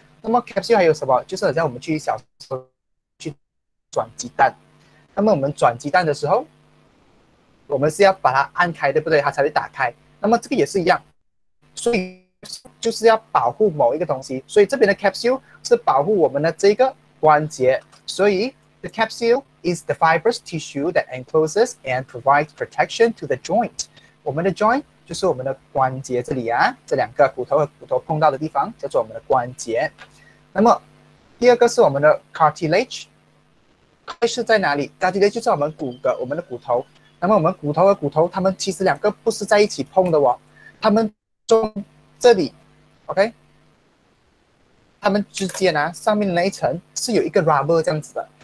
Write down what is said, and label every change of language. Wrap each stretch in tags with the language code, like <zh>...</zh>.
<zh>那么 capsule 还有什么？就是很像我们去小时候转鸡蛋。那么我们转鸡蛋的时候，我们是要把它按开，对不对？它才会打开。那么这个也是一样，所以就是要保护某一个东西。所以这边的 capsule 是保护我们的这个关节。</zh> <en>所以 the capsule is the fibrous tissue that encloses and provides protection to the joint。</en> <zh>我们的 joint 就是我们的关节这里啊，这两个骨头和骨头碰到的地方叫做我们的关节。那么第二个是我们的 cartilage。会是在哪里？它直接就是我们的骨头。那么我们骨头和骨头，它们其实两个不是在一起碰的哦，它们中这里，OK，它们之间啊，上面那一层是有一个 rubber 这样子的。</zh>